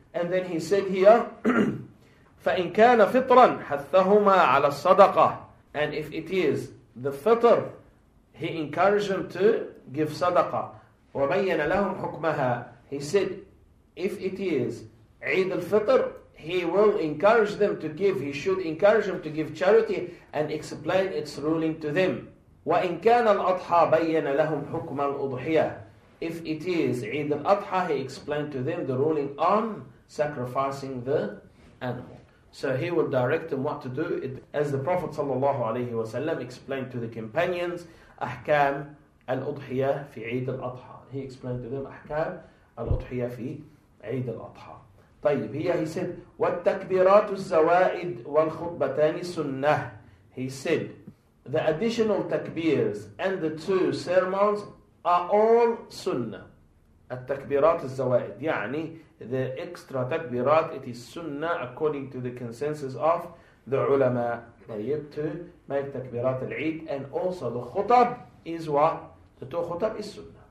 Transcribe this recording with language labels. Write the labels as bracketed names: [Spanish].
[English] And then he said here, [Arabic] فَإِنْ كَانَ فِطْرًا حَثَّهُمَا عَلَى الصَّدَقَةِ. [English] And if it is the fitr, he encouraged them to give sadaqah. [Arabic] وَبَيَّنَ لَهُمْ حُكْمَهَا. [English] He said, if it is Eid al-Fitr, he will encourage them to give, he should encourage them to give charity and explain its ruling to them. [Arabic] وَإِنْ كَانَ الْأَضْحَى بَيَّنَ لَهُمْ حُكْمَ الْأُضْحِيَةِ. [English] If it is Eid al-Adha, he explained to them the ruling on sacrificing the animal. So he would direct them what to do, as the Prophet ﷺ explained to the companions, [Arabic] أحكام الأضحية في عيد الأضحى. [English] He explained to them [Arabic] أحكام الأضحية في عيد الأضحى. طيب, [English] here he said, [Arabic] والتكبيرات الزوائد والخطبتان سنة. [English] He said, the additional takbirs and the two sermons are all سنة. [Arabic] التكبيرات الزوائد, [English] يعني the extra takbirat, it is سنة according to the consensus of the ulama. طيب, to make takbirat al-Eid, and also the khutab is what? The two khutab is sunnah.